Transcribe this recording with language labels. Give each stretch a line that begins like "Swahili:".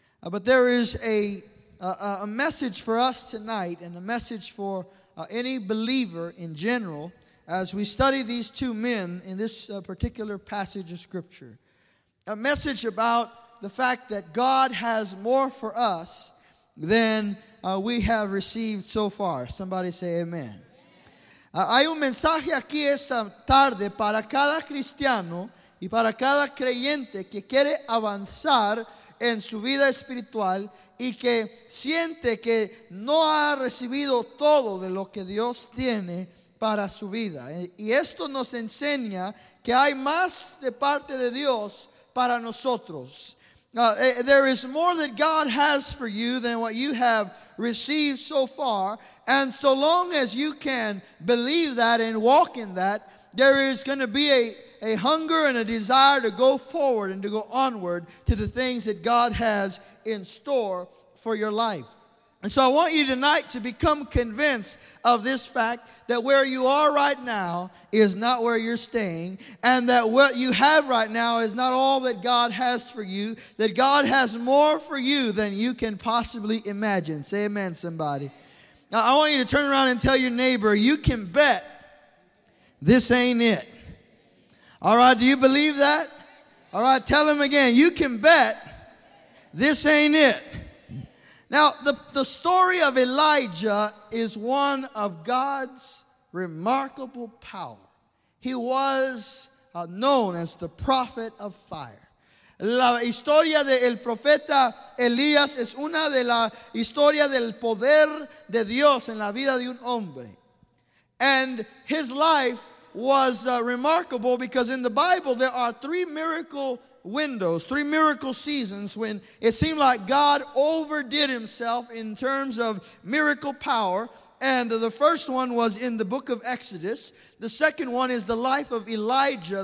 English: But there is a message for us tonight, and a message for any believer in general, as we study these two men in this particular passage of scripture. A message about the fact that God has more for us than we have received so far. Somebody say amen.
Spanish: Hay un mensaje aquí esta tarde para cada cristiano y para cada creyente que quiere avanzar en su vida espiritual y que siente que no ha recibido todo de lo que Dios tiene para su vida. Y esto nos enseña que hay más de parte de Dios para nosotros.
English: There is more that God has for you than what you have received so far. And so long as you can believe that and walk in that, there is going to be a hunger and a desire to go forward and to go onward to the things that God has in store for your life. And so I want you tonight to become convinced of this fact, that where you are right now is not where you're staying, and that what you have right now is not all that God has for you, that God has more for you than you can possibly imagine. Say amen, somebody. Now I want you to turn around and tell your neighbor, you can bet this ain't it. All right, do you believe that? All right, tell him again, you can bet this ain't it. Now, the story of Elijah is one of God's remarkable power. He was known as the prophet of fire.
Spanish: La historia del profeta Elías es una de la historia del poder de Dios en la vida de un hombre.
English: And his life was remarkable because in the Bible there are three miracle windows, three miracle seasons when it seemed like God overdid himself in terms of miracle power. And the first one was in the book of Exodus. The second one is the life of Elijah.